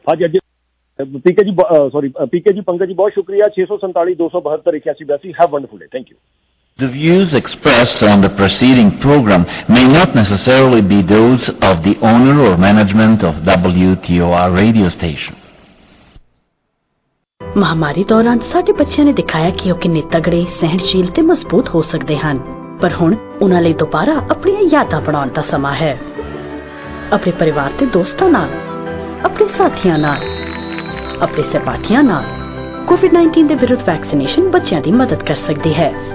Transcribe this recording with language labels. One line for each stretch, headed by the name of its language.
Punjabi: ਹਾਂਜੀ ਹਾਂਜੀ ਪੀਕੇ ਜੀ, ਸੋਰੀ ਪੀਕੇ ਜੀ, ਪੰਕਜ ਜੀ ਬਹੁਤ ਸ਼ੁਕਰੀਆ, 647-272 82
English: Have wonderful day, thank you. The views expressed on the preceding program may not necessarily be those of the owner or management of WTOR radio station.
Punjabi: ਮਹਾਮਾਰੀ ਦੌਰਾਨ ਸਾਡੇ ਬੱਚਿਆਂ ਨੇ ਦਿਖਾਇਆ ਕਿ ਉਹ ਕਿੰਨੇ ਤਗੜੇ, ਸਹਿਣਸ਼ੀਲ ਤੇ ਮਜ਼ਬੂਤ ਹੋ ਸਕਦੇ ਹਨ, ਪਰ ਹੁਣ ਉਹਨਾਂ ਲਈ ਦੁਬਾਰਾ ਆਪਣੀਆਂ ਯਾਦਾਂ ਬਣਾਉਣ ਦਾ ਸਮਾਂ ਹੈ। ਆਪਣੇ ਪਰਿਵਾਰ ਤੇ ਦੋਸਤਾਂ ਨਾਲ, ਆਪਣੇ ਸਾਥੀਆਂ ਨਾਲ, ਆਪਣੇ ਸਹਿਪਾਠੀਆਂ ਨਾਲ COVID-19 ਦੇ ਵਿਰੁੱਧ ਵੈਕਸੀਨੇਸ਼ਨ ਬੱਚਿਆਂ ਦੀ ਮਦਦ ਕਰ ਸਕਦੀ ਹੈ।